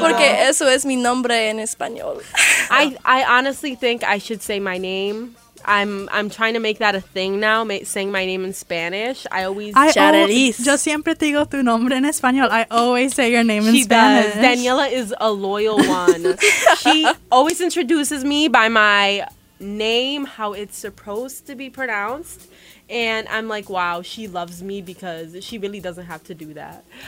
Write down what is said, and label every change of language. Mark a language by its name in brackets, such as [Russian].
[Spanish] Porque eso es mi nombre en español. [English] I honestly think I should say my name. I'm trying to make that a thing now, saying my name in Spanish. [Spanish] Yo siempre te digo tu nombre en español. [English] I always say your name in Spanish. She does. Daniela is a loyal one. She always introduces me by my name, how it's supposed to be pronounced. And I'm like, wow, she loves me because she really doesn't have to do that.